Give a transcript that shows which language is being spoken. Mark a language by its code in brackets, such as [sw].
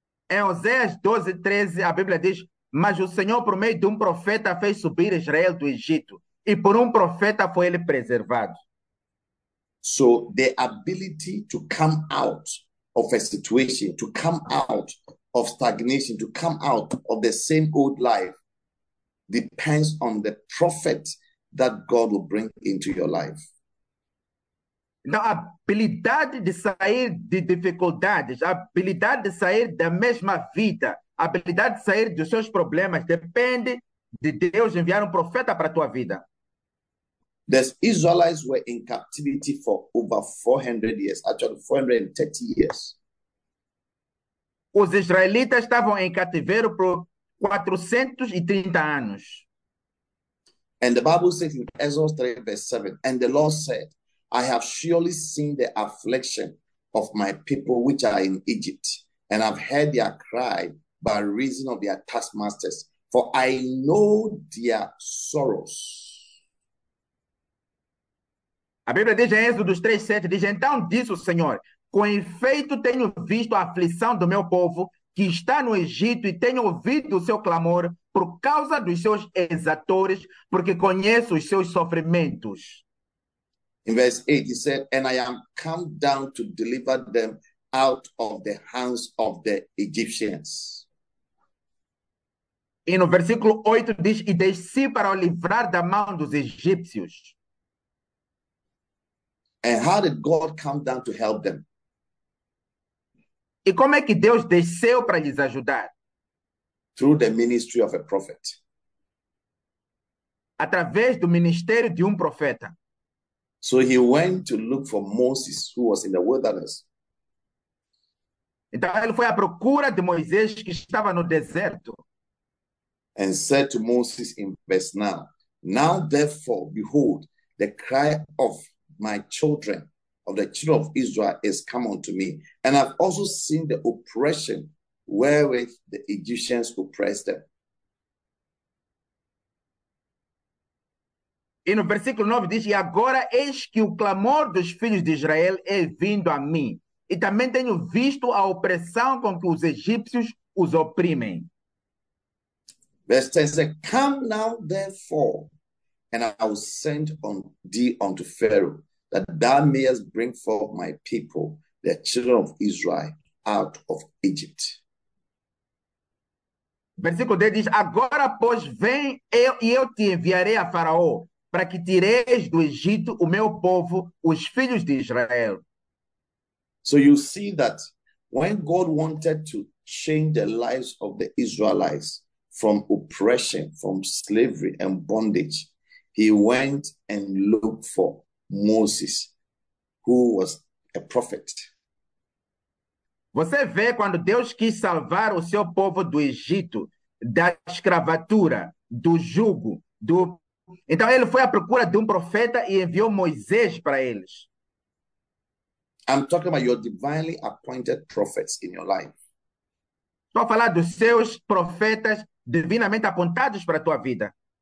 [pt] Em Oséias 12, 13, a Bíblia diz, mas o Senhor, por meio de profeta, fez subir Israel do Egito, e por profeta foi ele preservado. [en] So the ability to come out of a situation, to come out of stagnation, to come out of the same old life depends on the prophet that God will bring into your life. [pt] Na habilidade de sair de dificuldades, a habilidade de sair da mesma vida, a habilidade de sair dos seus problemas depende de Deus enviar profeta para a tua vida. [en] The Israelites were in captivity for over 400 years, actually 430 years. [pt] Os israelitas estavam em cativeiro por 430 anos. [en] And the Bible says in Exodus 3, verse 7, and the Lord said, I have surely seen the affliction of my people which are in Egypt, and I've heard their cry by reason of their taskmasters, for I know their sorrows. [pt] A Bíblia diz em Êxodo 3, 7, diz, então disse o Senhor, com efeito tenho visto a aflição do meu povo que está no Egito e tenho ouvido o seu clamor por causa dos seus exatores, porque conheço os seus sofrimentos. [en] In verse 8, he said, and I am come down to deliver them out of the hands of the Egyptians. [pt] E no versículo 8 diz, e desci para o livrar da mão dos egípcios. [en] And how did God come down to help them? [pt] E como é que Deus desceu para lhes ajudar? [en] Through the ministry of a prophet. [pt] Através do ministério de profeta. [en] So he went to look for Moses, who was in the wilderness. [pt] Então ele foi à procura de Moisés que estava no deserto. [en] And said to Moses in verse 9, now therefore, behold, the cry of my children, of the children of Israel, is come unto me. And I've also seen the oppression wherewith the Egyptians oppressed them. [pt] E no versículo 9 diz, e agora eis que o clamor dos filhos de Israel é vindo a mim, e também tenho visto a opressão com que os egípcios os oprimem. [en] Verse 10 says, come now therefore, and I will send thee unto Pharaoh, that thou mayest bring forth my people, the children of Israel, out of Egypt. [pt] Versículo 10 diz, agora pois vem eu e eu te enviarei a Faraó, para que tireis do Egito o meu povo, os filhos de Israel. [en] So you see that when God wanted to change the lives of the Israelites from oppression, from slavery and bondage, he went and looked for Moses, who was a prophet. [pt] Você vê quando Deus quis salvar o seu povo do Egito, da escravatura, do jugo, do então ele foi à procura de profeta e enviou Moisés para eles. [en] I'm talking about your divinely appointed prophets in your life. [pt] Estou a falar dos seus profetas divinamente apontados para a tua vida.